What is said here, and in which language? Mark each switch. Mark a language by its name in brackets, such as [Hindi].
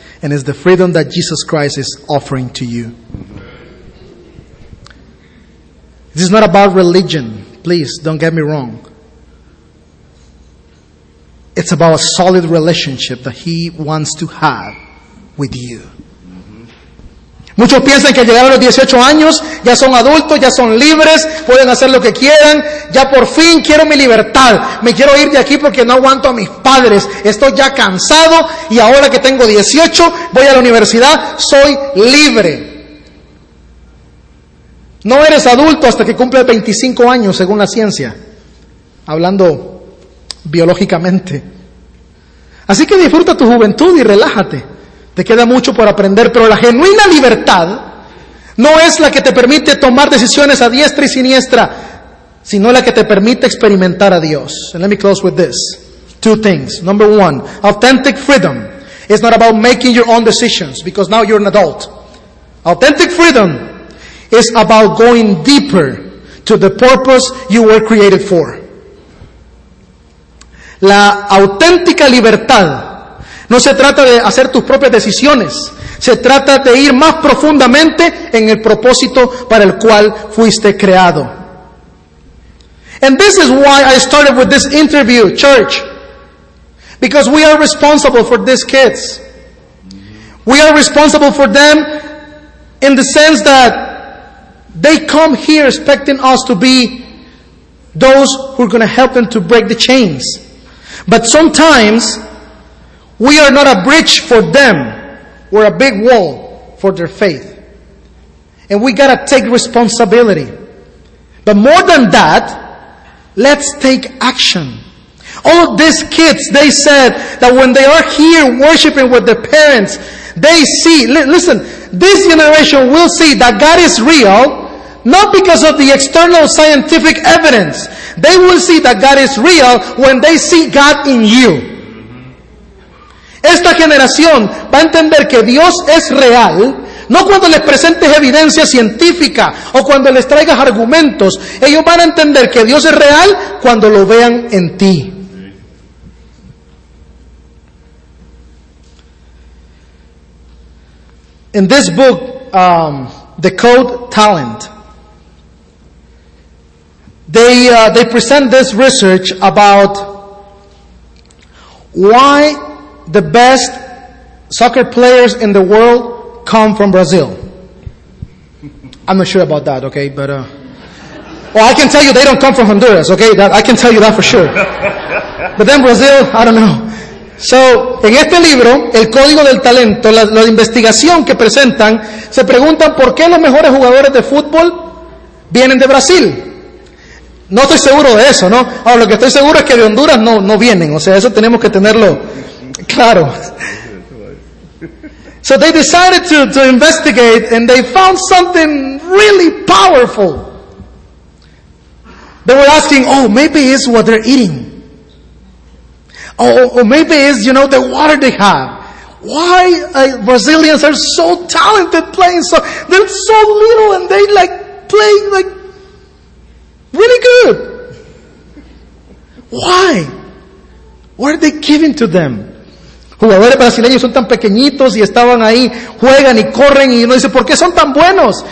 [English] And it's the freedom that Jesus Christ is offering to you. This is not about religion. Please, don't get me wrong. It's about a solid relationship that He wants to have with you. [Spanish] Muchos piensan que al llegar a los 18 años ya son adultos, ya son libres, pueden hacer lo que quieran, ya por fin quiero mi libertad, me quiero ir de aquí porque no aguanto a mis padres, estoy ya cansado y ahora que tengo 18 voy a la universidad, soy libre. No eres adulto hasta que cumples 25 años según la ciencia, hablando biológicamente. Así que disfruta tu juventud y relájate. Te queda mucho por aprender, pero la genuina libertad no es la que te permite tomar decisiones a diestra y siniestra, sino la que te permite experimentar a Dios. [English] And let me close with this. Two things. Number one, authentic freedom is not about making your own decisions because now you're an adult. Authentic freedom is about going deeper to the purpose you were created for. [Spanish] La auténtica libertad no se trata de hacer tus propias decisiones. Se trata de ir más profundamente en el propósito para el cual fuiste creado. [English] And this is why I started with this interview, church. Because we are responsible for these kids. We are responsible for them in the sense that they come here expecting us to be those who are going to help them to break the chains. But sometimes we are not a bridge for them. We're a big wall for their faith. And we gotta take responsibility. But more than that, let's take action. All of these kids, they said that when they are here worshiping with their parents, they see, listen, this generation will see that God is real, not because of the external scientific evidence. They will see that God is real when they see God in you. [Spanish] Esta generación va a entender que Dios es real, no cuando les presentes evidencia científica o cuando les traigas argumentos. Ellos van a entender que Dios es real cuando lo vean en ti. [English] In this book, The Code Talent, they present this research about why the best soccer players in the world come from Brazil. I'm not sure about that, okay? But well, I can tell you they don't come from Honduras, okay? That I can tell you that for sure. But then Brazil, I don't know. [Spanish] So, en este libro, El Código del Talento, la investigación que presentan, se preguntan por qué los mejores jugadores de fútbol vienen de Brasil. No estoy seguro de eso, ¿no? Ahora, lo que estoy seguro es que de Honduras no vienen. O sea, eso tenemos que tenerlo claro. [English] So they decided to investigate and they found something really powerful. They were asking, oh, maybe it's what they're eating. Oh, maybe it's, you know, the water they have. why Brazilians are so talented playing so, they're so little and they like play like really good. Why? What are they giving to them? [Spanish] Jugadores brasileños son tan pequeñitos y estaban ahí, juegan y corren y uno dice, ¿por qué son tan buenos?